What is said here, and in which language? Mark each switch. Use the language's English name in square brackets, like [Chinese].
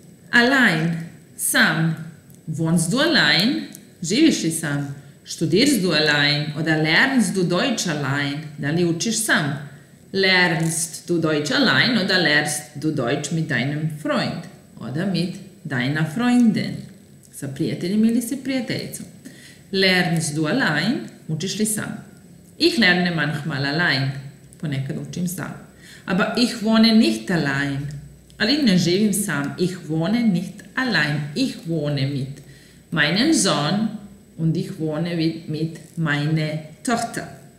[German] Allein. Sam. Wohnst du allein? [Serbian] Živiš li sam? [German] Studirst du allein? Oder lernst du Deutsch allein? [Serbian] Da li učiš sam? [German] Lernst du Deutsch allein oder lernst du Deutsch mit deinem Freund oder mit deiner Freundin? [Serbian] Sa prijateljem ili sa prijateljicom? [German] Lernst du allein? [Serbian] Učiš li sam? [German] Ich lerne manchmal allein. [Serbian] Ponekad učim sam. [German] Aber ich wohne nicht allein. [Serbian] Ali ne živim sam. [German] Ich wohne nicht allein. Ich wohne mit meinem Sohn und ich wohne mit meiner Tochter.